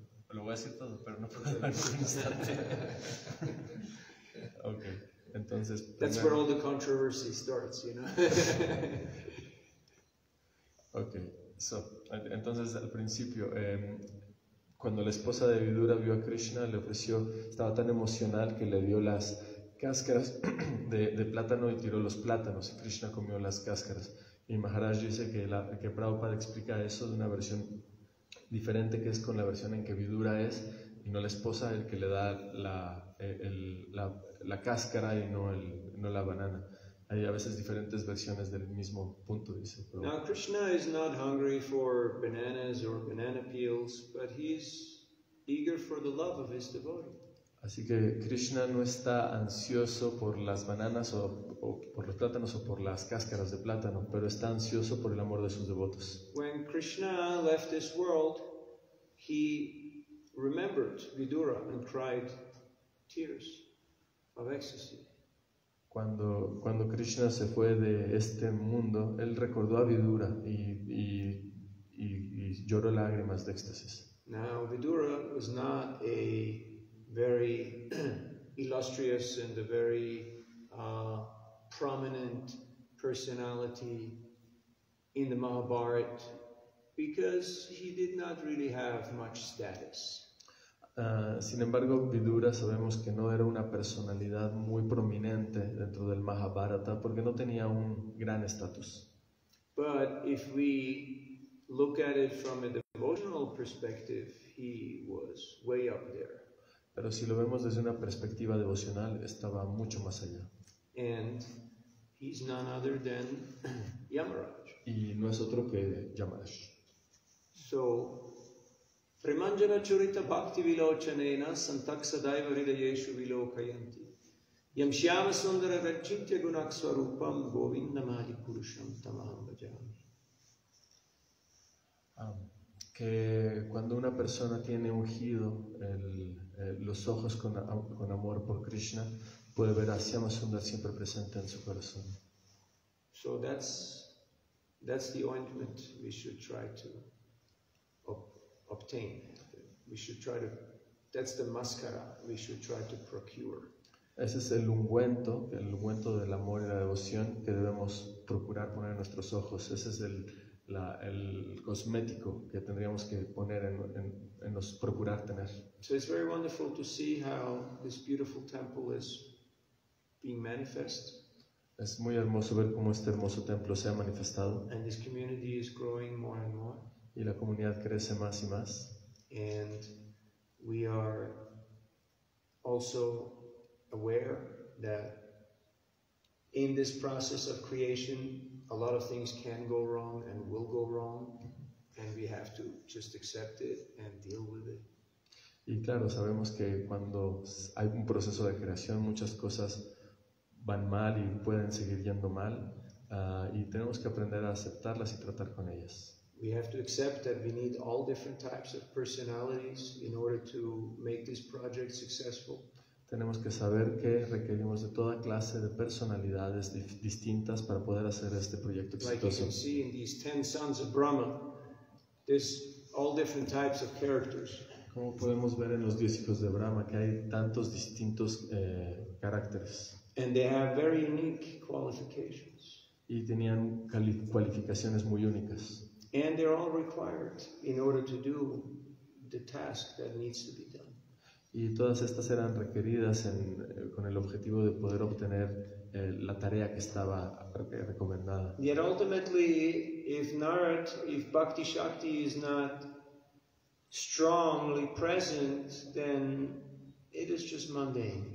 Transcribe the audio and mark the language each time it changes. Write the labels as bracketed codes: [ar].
[es] Lo voy a decir todo, pero no puedo hablar por un instante. Ok, entonces. [en] That's where all the controversy starts, you know. [es] Ok, so, entonces al principio. Cuando la esposa de Vidura vio a Krishna, le ofreció, estaba tan emocional que le dio las cáscaras de plátano y tiró los plátanos y Krishna comió las cáscaras. Y Maharaj dice que Prabhupada explica eso de una versión diferente, que es con la versión en que Vidura es y no la esposa el que le da la cáscara y no la banana. Hay a veces diferentes versiones del mismo punto, dice Prabhupada. [en] Now Krishna is not hungry for bananas or banana peels, but he is eager for the love of his devotee. [es] Así que Krishna no está ansioso por las bananas o por los plátanos o por las cáscaras de plátano, pero está ansioso por el amor de sus devotos. [en] When Krishna left this world, he remembered Vidura and cried tears of ecstasy. [es] Cuando Krishna se fue de este mundo, él recordó a Vidura y lloró lágrimas de éxtasis. [en] Now Vidura was not a very illustrious and a very prominent personality in the Mahabharata because he did not really have much status. [es] Sin embargo, Vidura sabemos que no era una personalidad muy prominente dentro del Mahabharata porque no tenía un gran estatus. [en] But if we look at it from a devotional perspective, he was way up there. [es] Pero si lo vemos desde una perspectiva devocional, estaba mucho más allá. [en] And he's none other than Yamaraj. [es] Y no es otro que Yamaraj. [sa] So, Premanjana Charita Bhakti Vilochanena Santaksadaiva Hridayeshu Vilokayanti Yam Shyama Sundara Vachitya Gunakswarupam Govindamadi Purusham Tamaham Bhajami. [es] Que cuando una persona tiene ungido los ojos con amor por Krishna, puede ver a Shyama Sundar siempre presente en su corazón. [en] So that's the ointment we should try to obtain. We should try to, that's the mascara we should try to procure. [es] Ese es el ungüento del amor y la devoción que debemos procurar poner en nuestros ojos. Ese es el cosmético que tendríamos que poner en los procurar tener. [en] So it's very wonderful to see how this beautiful temple is being manifest. [es] Es muy hermoso ver cómo este hermoso templo se ha manifestado. [en] And this community is growing more and more. [es] Y la comunidad crece más y más. [en] And we are also aware that in this process of creation, a lot of things can go wrong and will go wrong, and we have to just accept it and deal with it. [es] Y claro, sabemos que cuando hay un proceso de creación, muchas cosas van mal y pueden seguir yendo mal, y tenemos que aprender a aceptarlas y tratar con ellas. [en] We have to accept that we need all different types of personalities in order to make this project successful. [es] Tenemos que saber que requerimos de toda clase de personalidades distintas para poder hacer este proyecto exitoso. [en] Like you can see in these 10 sons of Brahma, there's all different types of characters. [es] Como podemos ver en los 10 hijos de Brahma, que hay tantos distintos caracteres. [en] And they have very unique qualifications. [es] Y tenían cualificaciones muy únicas. [en] And they're all required in order to do the task that needs to be done. [es] Y todas estas eran requeridas con el objetivo de poder obtener la tarea que estaba recomendada. [en] Yet ultimately, if Narad, if Bhakti Shakti is not strongly present, then it is just mundane.